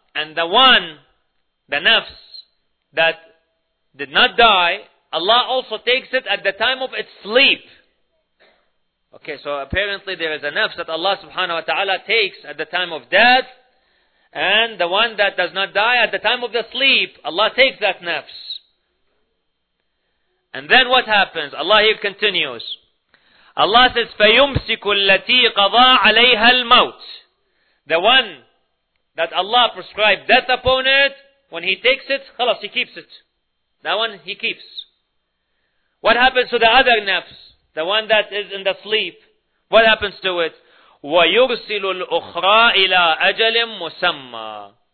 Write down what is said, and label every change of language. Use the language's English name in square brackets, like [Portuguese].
[English] And the one, the nafs, that did not die, Allah also takes it at the time of its sleep. Okay, so apparently there is a nafs that Allah subhanahu wa ta'ala takes at the time of death, and the one that does not die at the time of the sleep, Allah takes that nafs. And then what happens? Allah here continues. Allah says, [Arabic] فَيُمْسِكُ الَّتِي قَضَى عَلَيْهَا الْمَوْتِ. [English] The one that Allah prescribed death upon it, when he takes it, خلاص, he keeps it. That one he keeps. What happens to the other nafs? The one that is in the sleep. What happens to it? [Arabic] وَيُرْسِلُ الْأُخْرَى إِلَىٰ أَجَلٍ مُسَمَّى.